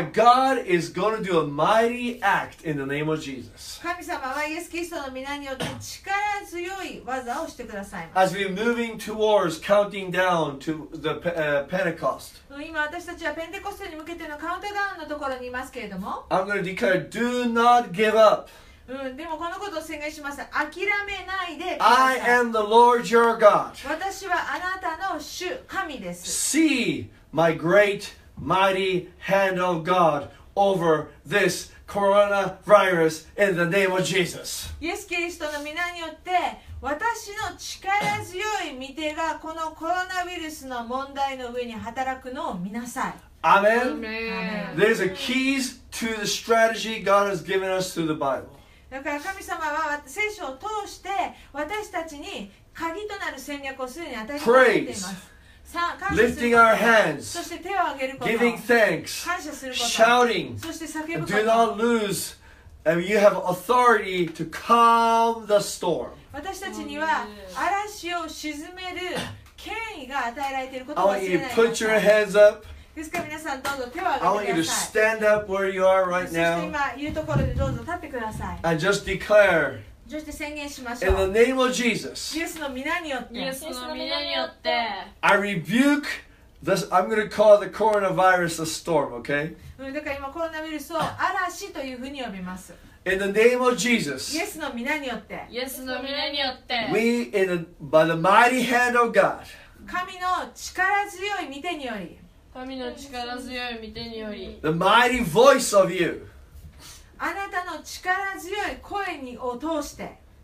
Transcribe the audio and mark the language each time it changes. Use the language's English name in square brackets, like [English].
[English] That God is going to do a mighty act in the name of Jesus. [Japanese] 神様はイエス・キリストの名によって力強い技をしてくださいます。 [English] As we're moving towards counting down to the Pentecost. [Japanese] 今私たちはペンテコステに向けてのカウントダウンのところにいますけれども。 [English] I'm going to declare, do not give up. [Japanese] でもこのことを宣言します。諦めないでください [English] 。 I am the Lord your God. [Japanese] 私はあなたの主、神です。 [English] See my great Mighty hand of God over this coronavirus in the name of Jesus. [Japanese] イエス・キリストの御名によって私の力強い御手がこのコロナウイルスの問題の上に働くのを見なさい。 [English] Amen. There's a keys to the strategy God has given us through the Bible. [Japanese] だから神様は聖書を通して私たちに鍵となる戦略をすでに与えてくれています。 [English] Lifting our hands, [Japanese] そして手を上げること、 [English] giving thanks, [Japanese] 感謝すること、 [English] shouting, [Japanese] そして叫ぶこと、 [English] do not lose, and you have authority to calm the storm. [Japanese] 私たちには嵐を沈める権威が与えられていることを忘れない。 [English] I want you to put your hands up. [Japanese] ですから皆さんどうぞ手を上げてください。 [English] I want you to stand up where you are right now. [Japanese] そして今いるところでどうぞ立ってください。 [English] And just declare. [Japanese] そして宣言しましょう。 [English] In the name of Jesus. [Japanese] イエスの名によって。イエスの名によって。 [English] I rebuke this. I'm going to call the coronavirus a storm, okay? [Japanese] だから今コロナウイルスを嵐というふうに呼びます。 [English] In the name of Jesus. [Japanese] イエスの名によって。イエスの名によって。 [English] We in the, by the mighty hand of God. [Japanese] 神の力強い御手により。神の力強い御手により。 [English] The mighty voice of you. [Japanese] あなたの力強い声にを通して、